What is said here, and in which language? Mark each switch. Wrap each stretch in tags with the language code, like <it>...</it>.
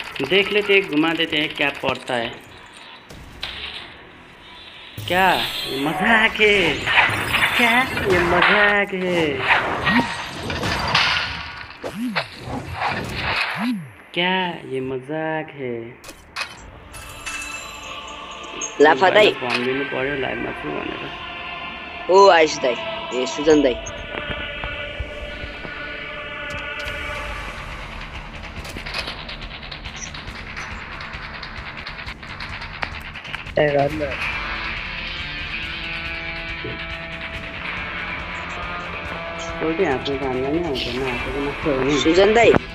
<hi>देख लेते हैं, घुमा देते हैं क्या पड़ता है क्या मजाक है क्या ये मजाक है क्या ये मजाक है</hi> <ne>लाफा दाई फोन लिनु पर्यो लाइव मा छु भनेर ओ आयुष दाई ए सुजन दाई सुजन दाई</ne>